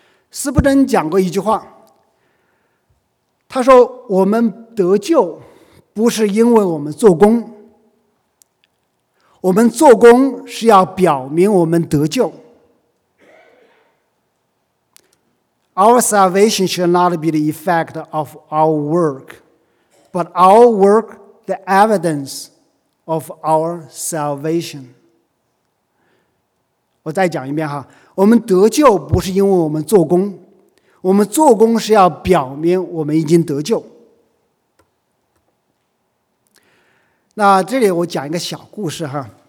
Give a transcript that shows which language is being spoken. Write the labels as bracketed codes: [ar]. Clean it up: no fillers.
[zh] 斯布登讲过一句话，他说我们得救不是因为我们做工，我们做工是要表明我们得救。 [en] Our salvation should not be the effect of our work, but our work the evidence of our salvation. [zh] 我再讲一遍哈，我们得救不是因为我们做工，我们做工是要表明我们已经得救。那这里我讲一个小故事哈。